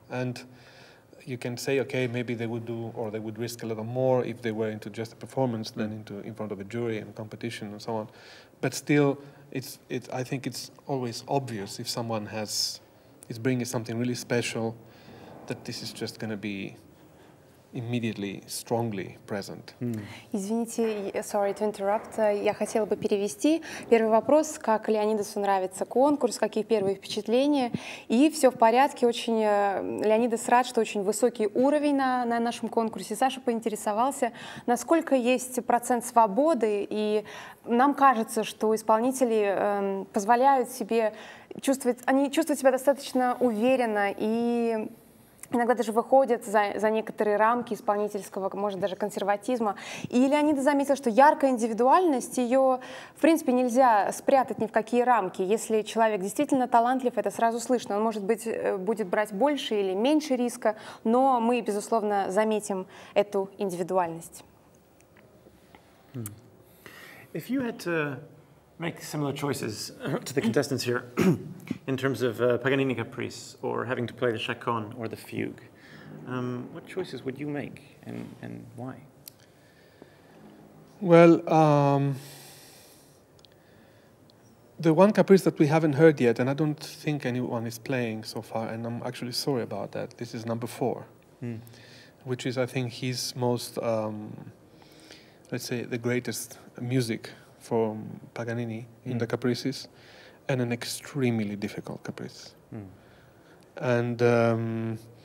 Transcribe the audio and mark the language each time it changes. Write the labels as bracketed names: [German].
[English] And you can say, okay, maybe they would do, or they would risk a little more if they were into just a performance than into in front of a jury and competition and so on. But still, I think it's always obvious if someone is bringing something really special, that this is just going to be immediately, strongly present. Mm. [Russian] Извините, [English] sorry to interrupt. [Russian] Я хотела бы перевести. Первый вопрос, как Леонидасу нравится конкурс, какие первые впечатления? И все в порядке, очень Леонидас рад, что очень высокий уровень на нашем конкурсе. Саша поинтересовался, насколько есть процент свободы, и нам кажется, что исполнители позволяют себе чувствовать, они чувствуют себя достаточно уверенно и иногда даже выходят за некоторые рамки исполнительского, может, даже консерватизма. И Леонид заметил, что яркая индивидуальность, ее, в принципе, нельзя спрятать ни в какие рамки. Если человек действительно талантлив, это сразу слышно. Он, может быть, будет брать больше или меньше риска, но мы, безусловно, заметим эту индивидуальность. [English] If you had to make similar choices to the contestants here in terms of Paganini Caprice or having to play the Chaconne or the Fugue, what choices would you make and why? Well, the one Caprice that we haven't heard yet, and I don't think anyone is playing so far, and I'm actually sorry about that, this is number four, which is, I think, his most, let's say, the greatest music from Paganini in the Caprices, and an extremely difficult Caprice. And